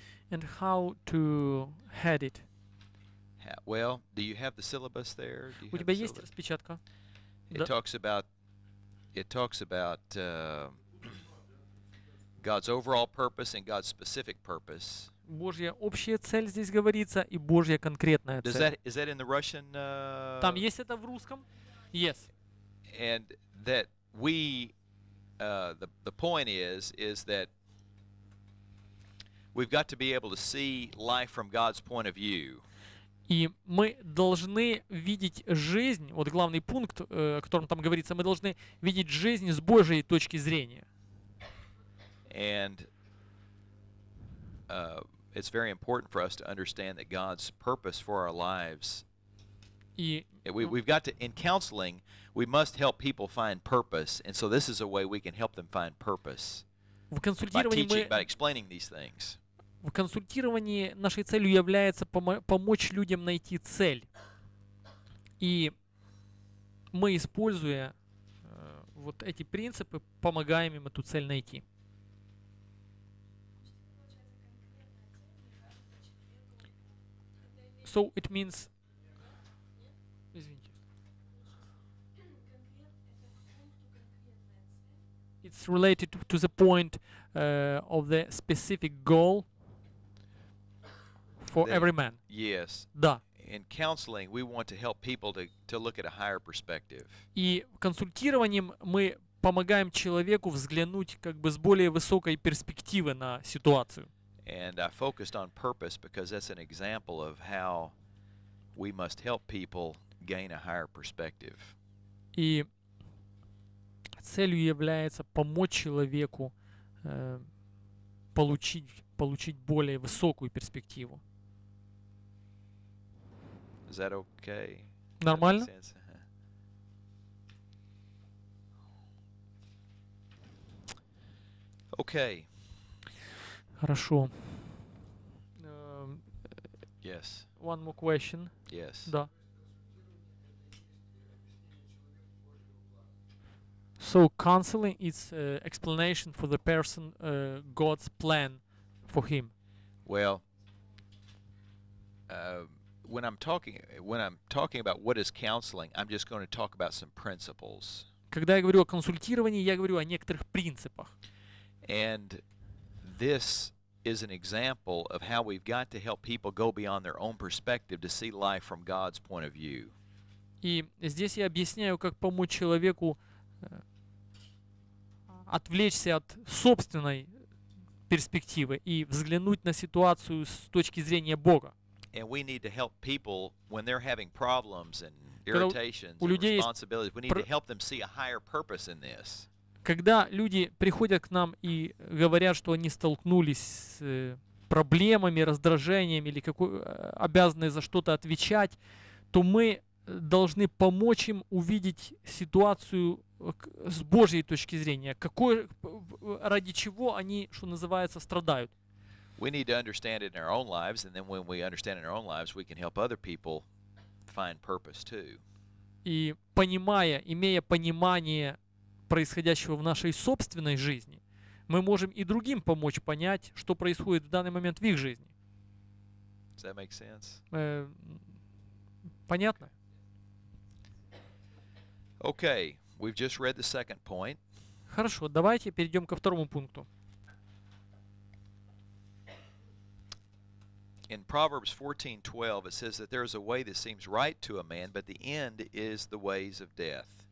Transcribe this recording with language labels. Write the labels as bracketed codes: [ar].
[en] And how to head it? Well, do you have the syllabus there? Do you [ru] У тебя есть распечатка? [en] It [ru] да. [en] talks about God's overall purpose and God's specific purpose. [ru] Божья общая цель здесь говорится и Божья конкретная цель. [en] Is that in the Russian? [ru] Там есть это в русском? [en] Yes. And that we, the point is that we've got to be able to see life from God's point of view. [ru] И мы должны видеть жизнь, вот главный пункт, о котором там говорится, мы должны видеть жизнь с Божьей точки зрения. [en] And it's very important for us to understand that God's purpose for our lives. [ru] И [en] we've got to, in counseling, we must help people find purpose, and so this is a way we can help them find purpose. [ru] В консультировании [en] by teaching, by explaining these things. [ru] В консультировании нашей целью является помочь людям найти цель. И мы, используя вот эти принципы, помогаем им эту цель найти. [en] So it means... [ru] Извините. [en] It's related to the point of the specific goal for that, every man. Yes. [ru] Да. [en] In counseling, we want to help people to look at a higher perspective. [ru] И консультированием мы помогаем человеку взглянуть как бы с более высокой перспективы на ситуацию. [en] And I focused on purpose because that's an example of how we must help people gain a higher perspective. [ru] И целью является помочь человеку получить более высокую перспективу. [en] Is that okay? [ru] Нормально? [en] Okay. [ru] Хорошо. [en] Yes. One more question. Yes. [ru] Да. [en] So counseling is explanation for the person God's plan for him. Well, when I'm talking about what is counseling, I'm just going to talk about some principles. [ru] Когда я говорю о консультировании, я говорю о некоторых принципах. [en] And this is an example of how we've got to help people go beyond their own perspective to see life from God's point of view. [ru] И здесь я объясняю, как помочь человеку отвлечься от собственной перспективы и взглянуть на ситуацию с точки зрения Бога. [en] And we need to help people when they're having problems and irritations and responsibilities. We need to help them see a higher purpose in this. [ru] Когда люди приходят к нам и говорят, что они столкнулись с проблемами, раздражением или обязаны за что-то отвечать, то мы должны помочь им увидеть ситуацию с Божьей точки зрения. Какой, ради чего они, что называется, страдают. [en] We need to understand it in our own lives, and then when we understand it in our own lives, we can help other people find purpose too. [ru] И понимая, имея понимание происходящего в нашей собственной жизни, мы можем и другим помочь понять, что происходит в данный момент в их жизни. [en] Does that make sense? [ru] Понятно? [en] Okay, we've just read the second point. [ru] Хорошо, давайте перейдем ко второму пункту. [en] In Proverbs 14:12, it says that there is a way that seems right to a man, but the end is the ways of death.